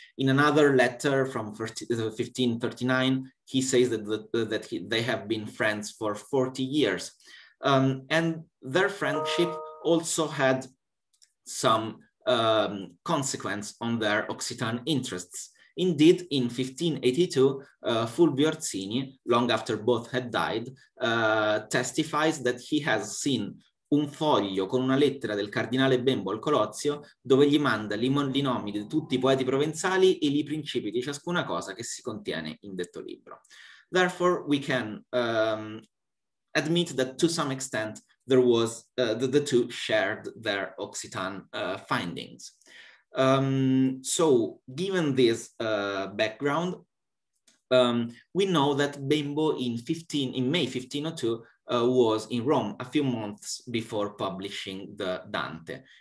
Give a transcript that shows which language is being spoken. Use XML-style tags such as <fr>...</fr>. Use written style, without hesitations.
<en>In another letter from 1539, he says that they have been friends for 40 years. And their friendship also had some consequence on their Occitan interests. Indeed, in 1582, Fulvio Orsini, long after both had died, testifies that he has seen</en> <it>un foglio con una lettera del cardinale Bembo al Colozio, dove gli manda i nomi di tutti i poeti provenzali e i principi di ciascuna cosa che si contiene in detto libro.</it> <en>Therefore, we can admit that to some extent there was the two shared their Occitan findings. So given this background, we know that Bembo in May 1502 was in Rome a few months before publishing the Dante.</en>